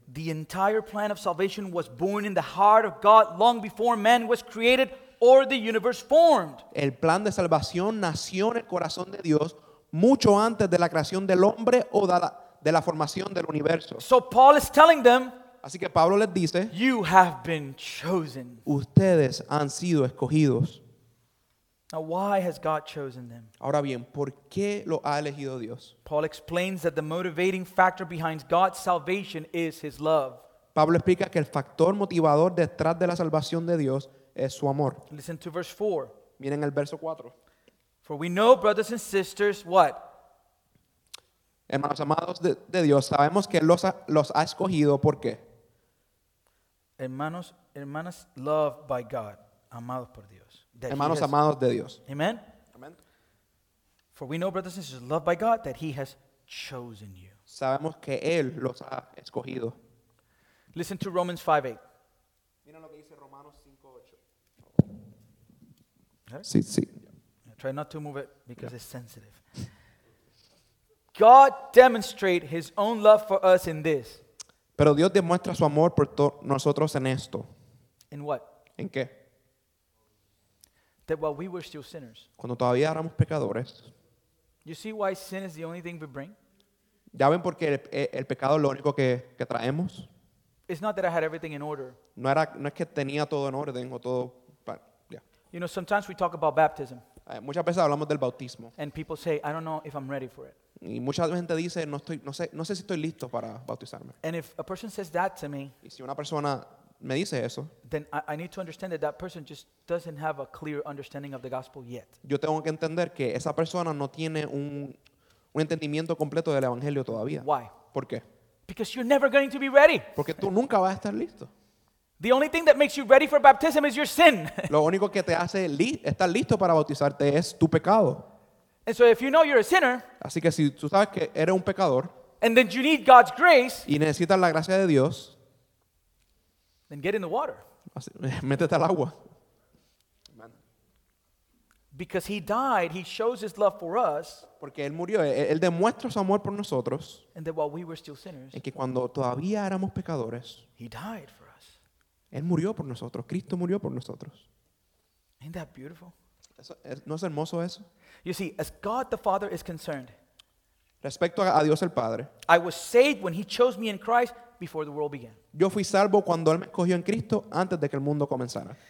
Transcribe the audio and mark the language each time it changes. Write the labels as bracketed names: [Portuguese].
[English] The entire plan of salvation was born in the heart of God long before man was created or the universe formed. [Spanish] El plan de salvación nació en el corazón de Dios mucho antes de la creación del hombre o de la formación del universo. [English] So Paul is telling them, [Spanish] así que Pablo les dice, [English] you have been chosen. [Spanish] Ustedes han sido escogidos. [English] Now, why has God chosen them? [Spanish] Ahora bien, ¿por qué lo ha elegido Dios? [English] Paul explains that the motivating factor behind God's salvation is his love. [Spanish] Pablo explica que el factor motivador detrás de la salvación de Dios es su amor. [English] Listen to verse 4. [Spanish] Miren el verso 4. [English] For we know, brothers and sisters, what? [Spanish] Hermanos amados de Dios, sabemos que los ha escogido, ¿por qué? Hermanos, hermanas, [English] loved by God, [Spanish] amados por Dios. Hermanos amados de Dios. [English] Amen. [Spanish] Amen. [English] For we know, brothers and sisters, loved by God, that he has chosen you. [Spanish] Sabemos que él los ha escogido. [English] Listen to Romans 5:8. [Spanish] Mira lo que dice Romanos 5:8. Sí, sí. [English] Yeah. Try not to move it because it's sensitive. God demonstrate his own love for us in this. [Spanish] Pero Dios demuestra su amor por nosotros en esto. [English] In what? [Spanish] ¿En qué? [English] That while we were still sinners. [Spanish] Cuando todavía éramos pecadores. [English] You see why sin is the only thing we bring? [Spanish] ¿Ya ven por qué el pecado es lo único que traemos? [English] It's not that I had everything in order. [Spanish] No es que tenía todo en orden o todo. [English] Yeah. You know, sometimes we talk about baptism. [Spanish] Muchas veces hablamos del bautismo. [English] And people say, I don't know if I'm ready for it. [Spanish] Y mucha gente dice, no sé si estoy listo para bautizarme. [English] And if a person says that to me, [Spanish] y si una persona me dice eso, [English] then I need to understand that that person just doesn't have a clear understanding of the gospel yet. [Spanish] Yo tengo que entender que esa persona no tiene un entendimiento completo del evangelio todavía. [English] Why? [Spanish] ¿Por qué? [English] Because you're never going to be ready. [Spanish] Porque tú nunca vas a estar listo. [English] The only thing that makes you ready for baptism is your sin. [Spanish] Lo único que te hace estar listo para bautizarte es tu pecado. [English] And so if you know you're a sinner, [Spanish] así que si tú sabes que eres un pecador, [English] and then you need God's grace, [Spanish] y necesitas la gracia de Dios, [English] then get in the water. [Spanish] Así, métete al agua. Amen. [English] Because he died, he shows his love for us. [Spanish] Porque él murió, él demuestra su amor por nosotros. [English] And that while we were still sinners, [Spanish] en que cuando todavía éramos pecadores, [English] he died for us. [Spanish] Él murió por nosotros, Cristo murió por nosotros. [English] Isn't that beautiful? [Spanish] ¿No es hermoso eso? [English] You see, as God the Father is concerned, [Spanish] respecto a Dios el Padre, [English] I was saved when he chose me in Christ before the world began. [Spanish] Yo fui salvo cuando él me escogió en Cristo antes de que el mundo comenzara.